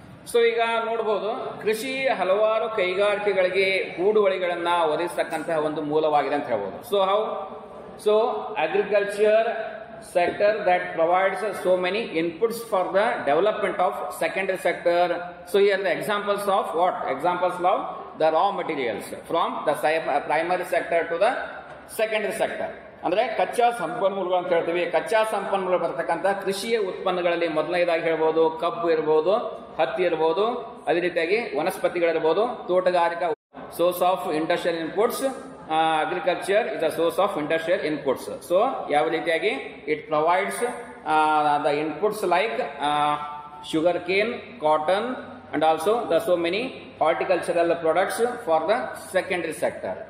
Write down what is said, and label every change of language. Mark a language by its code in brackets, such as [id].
[kn] So ಈಗ ನೋಡ್ಬೋದು, ಕೃಷಿ ಹಲವಾರು ಕೈಗಾರಿಕೆಗಳಿಗೆ ಹೂಡುವಳಿಗಳನ್ನು ಒದಗಿಸತಕ್ಕಂತಹ ಒಂದು ಮೂಲವಾಗಿದೆ ಅಂತ ಹೇಳ್ಬೋದು. [en] So how? So agriculture sector that provides so many inputs for the development of secondary sector. [kn] So ಈ ಎಲ್ಲ [en] Examples of what? Examples of the raw materials from the primary sector to the secondary sector. [kn] ಅಂದರೆ ಕಚ್ಚಾ ಸಂಪನ್ಮೂಲಗಳು ಅಂತ ಹೇಳ್ತೀವಿ. ಕಚ್ಚಾ ಸಂಪನ್ಮೂಲ ಬರತಕ್ಕಂಥ ಕೃಷಿಯ ಉತ್ಪನ್ನಗಳಲ್ಲಿ ಮೊದಲನೇದಾಗಿ ಹೇಳ್ಬೋದು ಕಬ್ಬು ಇರ್ಬೋದು, ಹತ್ತಿ ಇರ್ಬೋದು, ಅದೇ ರೀತಿಯಾಗಿ ವನಸ್ಪತಿಗಳಿರ್ಬೋದು. [en] ತೋಟಗಾರಿಕಾ source of industrial inputs, agriculture is a source of industrial inputs. [kn] So ಯಾವ ರೀತಿಯಾಗಿ [en] It provides the inputs like sugar cane, cotton and also the so many horticultural products for the secondary sector.